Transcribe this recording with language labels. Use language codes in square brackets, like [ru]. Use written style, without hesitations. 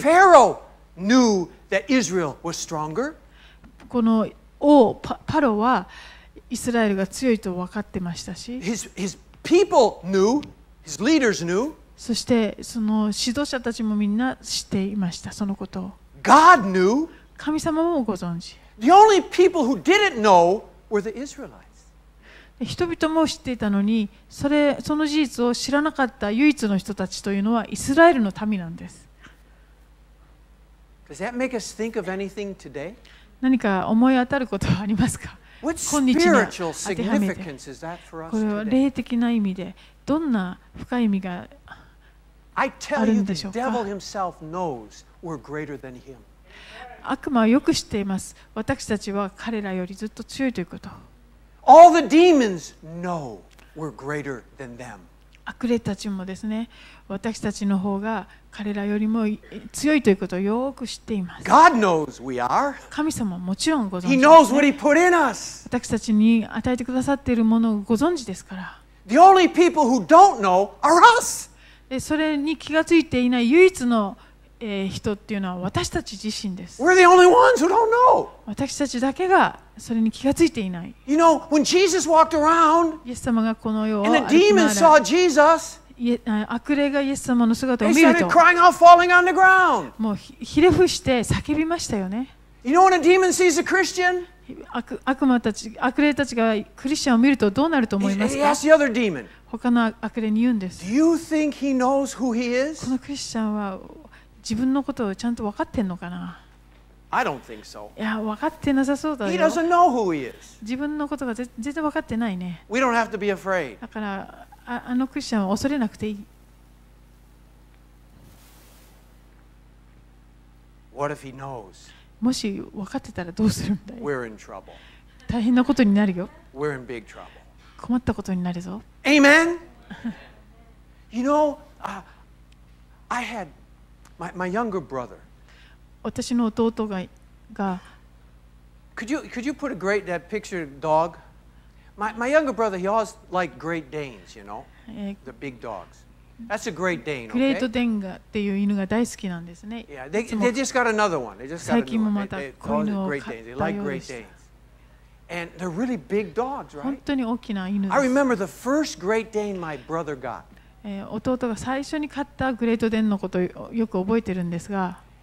[en] Pharaoh knew that Israel was stronger. [ja] この王パロはイスラエルが強いと分かってましたし、 [en] His people knew, his leaders knew. [ja] そしてその指導者たちもみんな知っていました、そのことを。 [en] God knew. [ja] 神様もご存知。 [en] The only people who didn't know were the Israelites. [ja] 人々も知っていたのに、その事実を知らなかった唯一の人たちというのはイスラエルの民なんです。 [en] Does that make us think of anything today? [ja] 何か思い当たることはありますか？今日の当てはめで。 [en] What spiritual significance is that for us? [ja] これは霊的な意味でどんな深い意味があるんでしょうか？ [en] I tell you, the devil himself knows we're greater than him. [ja] 悪魔はよく知っています。私たちは彼らよりずっと強いということ。 [en] All the demons know we're greater than them. [ja] 悪霊たちもですね、私たちの方が彼らよりも強いということをよく知っています。 [en] God knows we are. [ja] 神様もちろんご存知。 [en] He knows what he put in us. [ja] 私たちに与えてくださっているものをご存知ですから。 [en] The only people who don't know are us. [ja] それに気がついていない唯一の人っていうのは私たち自身です。 [en] We're the only ones who don't know. [ja] 私たちだけがそれに気がついていない。 [en] You know, when Jesus walked around, [ja] イエス様がこの世を歩き回る。 [en] And the demons saw Jesus. [ja] 悪霊がイエス様の姿を見ると。 [en] They started crying out, falling on the ground. [ja] もうひれ伏して叫びましたよね。 [en] You know, when a demon sees a Christian, [ja] 悪霊たちがクリスチャンを見るとどうなると思いますか？ [en] He asked the other demon. [ja] 他の悪霊に言うんです。 [en] Do you think he knows who he is? [ja] このクリスチャンは自分のことをちゃんと分かってんのかな。 [en] I don't think so. [ja] いや、分かってなさそうだよ。 [en] He doesn't know who he is. [ja] 自分のことが全然分かってないね。 [en] We don't have to be afraid. [ja] だから、あのクリスチャンは恐れなくていい。 [en] What if he knows? [ja] もし分かってたらどうするんだよ。 [en] We're in trouble. [ja] 大変なことになるよ。 [en] We're in big trouble. [ja] 困ったことになるぞ。 [en] Amen? You know, I had... My younger brother. [ja] 私の弟が、 [en] Could you put a great that picture dog? My younger brother, he always liked Great Danes, you know, the big dogs. That's a Great Dane. Okay? [ja] グレートデンガっていう犬が大好きなんですね。 [en] Yeah, they just got another one. They just got another one. [ja] 最近もまた子犬を買ったようです。 [en] They like Great Danes. And they're really big dogs, right? [ja] 本当に大きな犬です。 [en] I remember the first Great Dane my brother got. [ja] 弟が最初に買ったグレートデンのことをよく覚えてるんですが、